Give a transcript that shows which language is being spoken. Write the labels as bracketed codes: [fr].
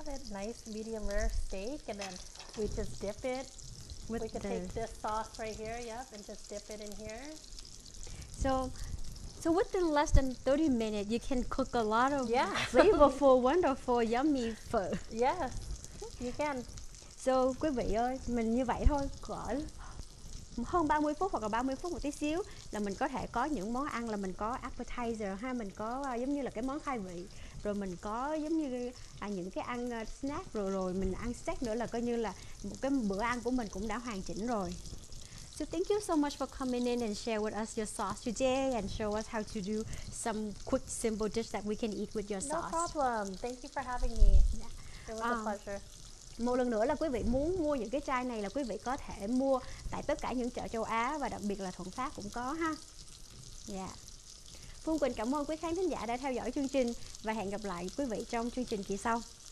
[en] Nice medium rare steak, and then we just dip it. With we can take this sauce right here, yep, and just dip it in here. So within less than 30 minutes, you can cook a lot of flavorful, wonderful, yummy food. Yeah, you can. [vi] So, quý vị ơi, mình như vậy thôi, hơn 30 phút hoặc là 30 phút một tí xíu là mình có thể có những món ăn, là mình có appetizer ha, mình có giống như là cái món khai vị, rồi mình có giống như những cái ăn snack, rồi mình ăn steak nữa, là coi như là một cái bữa ăn của mình cũng đã hoàn chỉnh rồi. [en] So thank you so much for coming in and share with us your sauce today and show us how to do some quick simple dish that we can eat with your sauce. No problem. Thank you for having me. Yeah. It was a pleasure. [vi] Một lần nữa là quý vị muốn mua những cái chai này là quý vị có thể mua tại tất cả những chợ châu Á, và đặc biệt là Thuận Phát cũng có ha. Yeah. Phương Quỳnh cảm ơn quý khán thính giả đã theo dõi chương trình, và hẹn gặp lại quý vị trong chương trình kỳ sau.